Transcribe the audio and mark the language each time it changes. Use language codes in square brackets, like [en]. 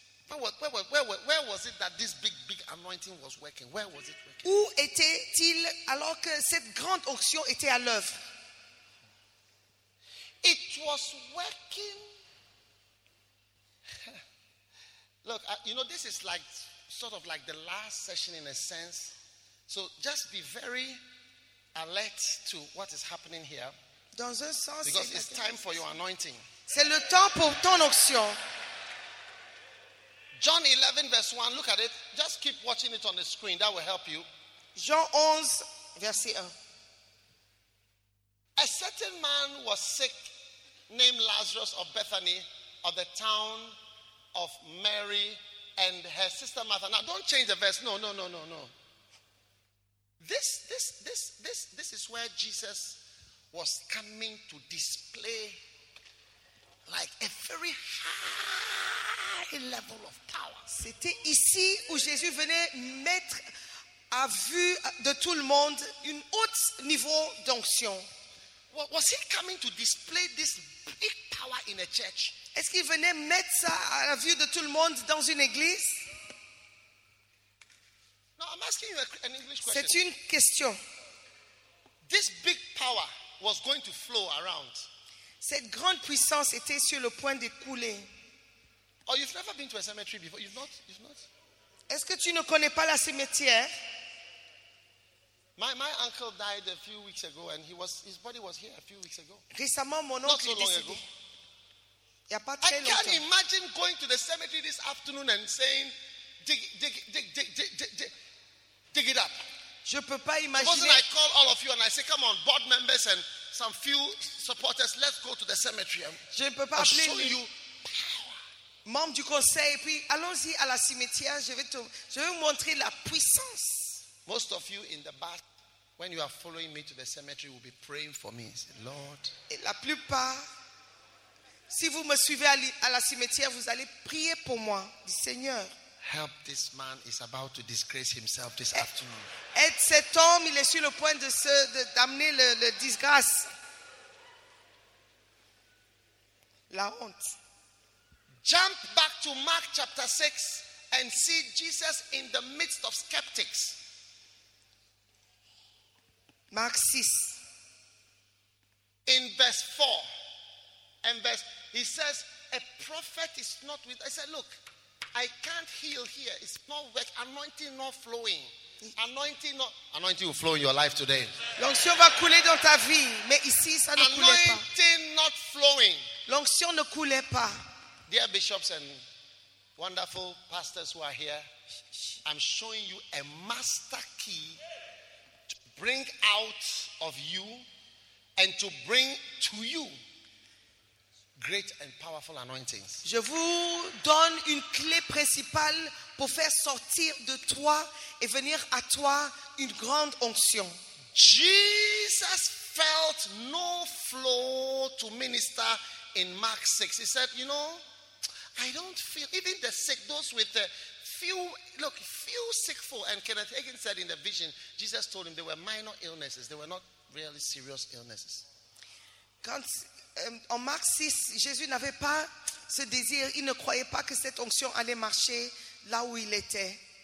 [en] Where was it that this big anointing was working? Where was it working? [fr] Où était-il alors que cette grande onction était à l'œuvre? [en] It was working. Look, you know, this is like sort of like the last session in a sense. So just be very alert to what is happening here. [fr] Dans un sens, [en] because it's time for your anointing. [fr] C'est le temps pour ton onction. [en] John 11 verse 1, look at it. Just keep watching it on the screen. That will help you. [fr] Jean 11 verset 1. [en] A certain man was sick named Lazarus of Bethany of the town of Mary and her sister Martha. Now don't change the verse. No. This is where Jesus was coming to display like a very high level of power. [fr] C'était ici où Jésus venait mettre à vue de tout le monde une haute niveau d'onction. [en] Was he coming to display this big power in a church? [fr] Est-ce qu'il venait mettre ça à la vue de tout le monde dans une église? [en] No, I'm asking you an English question. [fr] C'est une question. [en] This big power was going to flow around. [fr] Cette grande puissance était sur le point de couler. [en] Oh, you've never been to a cemetery before? You've not? [fr] Est-ce que tu ne connais pas la cimetière? [en] My uncle died a few weeks ago and his body was here a few weeks ago. [fr] Récemment, mon oncle est décédé. Il y a pas très longtemps. [en] I can't imagine going to the cemetery this afternoon and saying dig it up. [fr] Je peux pas imaginer. [en] Suppose I call all of you and I say, come on, board members and some few supporters, let's go to the cemetery. [fr] Je ne peux pas appeler les membres du conseil et puis allons-y à la cimetière. Je vais vous montrer la puissance. [en] Most of you in the back, when you are following me to the cemetery, will be praying for me. Say, Lord. [fr] Et la plupart, si vous me suivez à la cimetière, vous allez prier pour moi, dit Seigneur. [en] Help this man is about to disgrace himself this afternoon. [fr] Aide cet homme, il est sur le point d'amener le disgrâce. La honte. [en] Jump back to Mark chapter 6 and see Jesus in the midst of skeptics. Mark 6. In verse 4. And verse, he says, a prophet is not with. I said, look, I can't heal here. It's not work. Anointing not flowing. Anointing will flow in your life today. [fr] L'onction va couler dans ta vie. Mais ici, ça ne coulait pas. [en] Anointing not flowing. [fr] L'onction ne coulait pas. [en] Dear bishops and wonderful pastors who are here, I'm showing you a master key to bring out of you and to bring to you great and powerful anointings. [fr] Je vous donne une clé principale pour faire sortir de toi et venir à toi une grande onction. [en] Jesus felt no flow to minister in Mark 6. He said, you know, I don't feel, even the sick, those with the few sick folk, and Kenneth Hagin said in the vision, Jesus told him they were minor illnesses, they were not really serious illnesses. [fr] Quand en Marc 6, Jésus n'avait pas ce désir, il ne croyait pas que cette onction allait marcher là où il était.